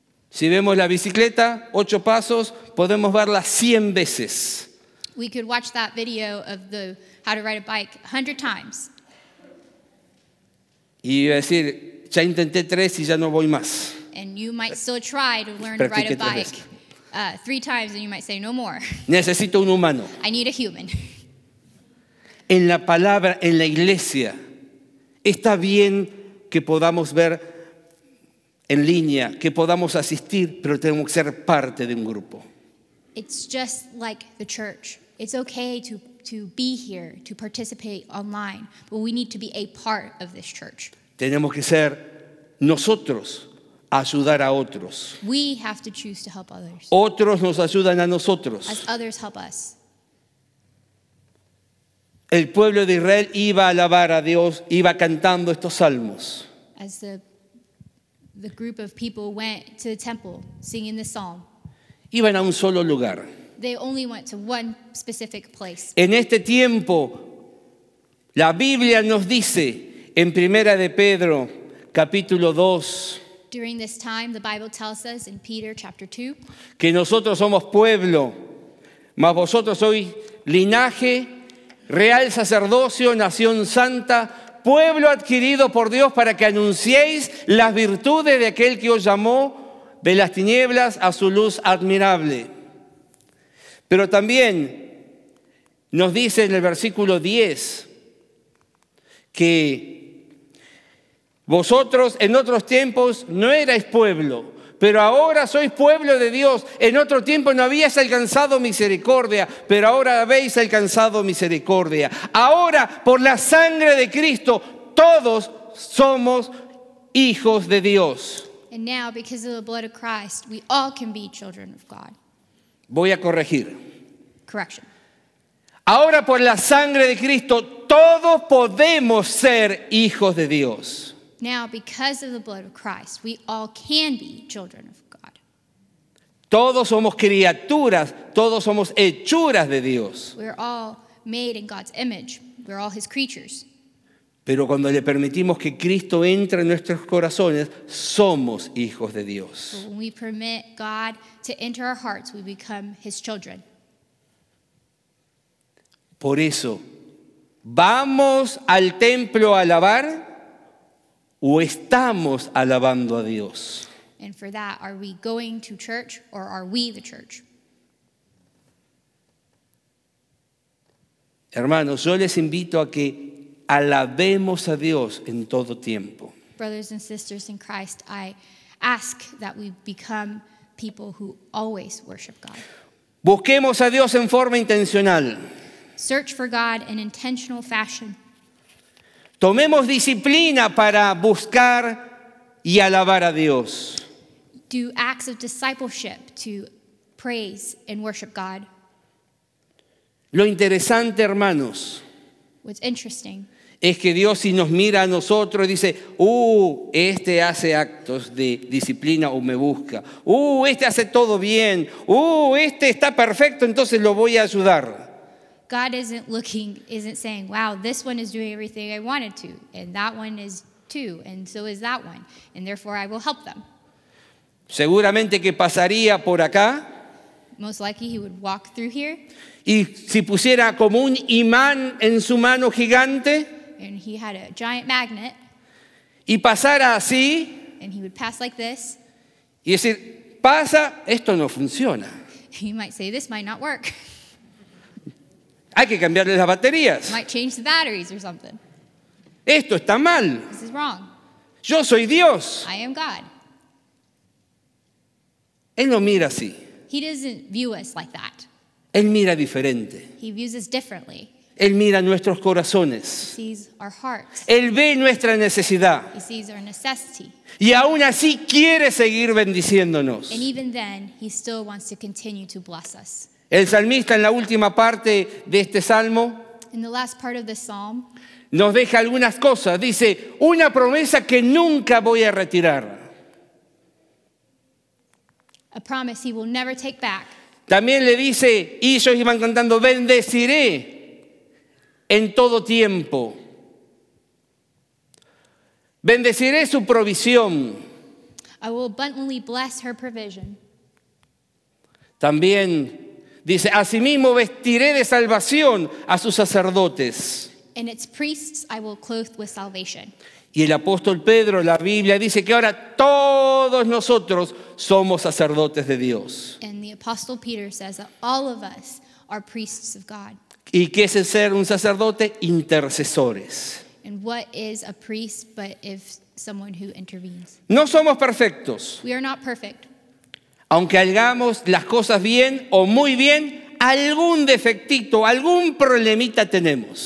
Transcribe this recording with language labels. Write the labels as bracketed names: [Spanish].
[Spanish] Si vemos la bicicleta, 8 pasos, podemos verla 100 veces. [English] We could watch that video of the how to ride a bike 100 times. [Spanish] Y decir, ya intenté 3 y ya no voy más. [English] And you might still try to learn to ride a bike 3 times and you might say no more. [Spanish] Necesito un humano. [English] I need a human. [Spanish] En la palabra, en la iglesia, está bien que podamos ver en línea, que podamos asistir, pero tenemos que ser parte de un grupo. [English] It's just like the church. It's okay to be here, to participate online, but we need to be a part of this church. [Spanish] Tenemos que ser nosotros a ayudar a otros. [English] We have to choose to help others. [Spanish] Otros nos ayudan a nosotros. [English] As others help us. [Spanish] El pueblo de Israel iba a alabar a Dios, iba cantando estos salmos. [English] As the group of people went to the temple singing the psalm. [Spanish] Iban a un solo lugar. [English] They only went to one specific place. [Spanish] En este tiempo, la Biblia nos dice en Primera de Pedro, capítulo 2. [English] During this time, the Bible tells us in Peter, chapter 2. [Spanish] Que nosotros somos pueblo, mas vosotros sois linaje, real sacerdocio, nación santa, pueblo adquirido por Dios para que anunciéis las virtudes de aquel que os llamó de las tinieblas a su luz admirable. Pero también nos dice en el versículo 10 que vosotros en otros tiempos no erais pueblo, pero ahora sois pueblo de Dios. En otro tiempo no habíais alcanzado misericordia, pero ahora habéis alcanzado misericordia. Ahora, por la sangre de Cristo, todos somos hijos de Dios. [English] And now, because of the blood of Christ, we all can be children of God. [Spanish] Voy a corregir. [English] Correction. [Spanish] Ahora, por la sangre de Cristo, todos podemos ser hijos de Dios. [English] Now, because of the blood of Christ, we all can be children of God. [Spanish] Todos somos criaturas, todos somos hechuras de Dios. [English] We're all made in God's image. We're all His creatures. [Spanish] Pero cuando le permitimos que Cristo entre en nuestros corazones, somos hijos de Dios. [English] But when we permit God to enter our hearts, we become His children. [Spanish] Por eso, vamos al templo a alabar. ¿O estamos alabando a Dios? [English] And for that, are we going to church or are we the church? [Spanish] Hermanos, yo les invito a que alabemos a Dios en todo tiempo. [English] Brothers and sisters in Christ, I ask that we become people who always worship God. [Spanish] Busquemos a Dios en forma intencional. [English] Search for God in intentional fashion. [Spanish] Tomemos disciplina para buscar y alabar a Dios. [English] Do acts of discipleship to praise and worship God. [Spanish] Lo interesante, hermanos, [English] what's interesting, [Spanish] es que Dios, si nos mira a nosotros, dice, este hace actos de disciplina o me busca. Este hace todo bien. Este está perfecto, entonces lo voy a ayudar. [English] God isn't saying, wow, this one is doing everything I wanted to, and that one is too, and so is that one, and therefore I will help them. [Spanish] Seguramente que pasaría por acá. [English] most likely he would walk through here. [Spanish] Y si pusiera como un imán en su mano gigante, [English] and he had a giant magnet, [Spanish] y pasara así, [English] and he would pass like this, [Spanish] y decir, pasa, esto no funciona. [English] He might say, this might not work. [Spanish] Hay que cambiarle las baterías. [English] Might change the batteries or something. [Spanish] Esto está mal. [English] This is wrong. [Spanish] Yo soy Dios. [English] I am God. [Spanish] Él no mira así. [English] He doesn't view us like that. [Spanish] Él mira diferente. [English] He views us differently. [Spanish] Él mira nuestros corazones. [English] He sees our hearts. [Spanish] Él ve nuestra necesidad. [English] He sees our necessity. [Spanish] Y aún así quiere seguir bendiciéndonos. [English] And even then, he still wants to continue to bless us. [Spanish] El salmista en la última parte de este salmo, [English] in the last part of the psalm, [Spanish] nos deja algunas cosas. Dice, una promesa que nunca voy a retirar. [English] A promise he will never take back. [Spanish] También le dice, y ellos iban cantando, bendeciré en todo tiempo. Bendeciré su provisión. [English] I will abundantly bless her provision. [Spanish] También dice, asimismo vestiré de salvación a sus sacerdotes. [English] And its priests I will clothe with salvation. [Spanish] Y el apóstol Pedro, la Biblia dice que ahora todos nosotros somos sacerdotes de Dios. [English] And the apostle Peter says that all of us are priests of God. [Spanish] ¿Y qué es el ser un sacerdote? Intercesores. [English] And what is a priest but if someone who intervenes? [Spanish] No somos perfectos. [English] We are not perfect. [Spanish] Aunque hagamos las cosas bien o muy bien, algún defectito, algún problemita tenemos.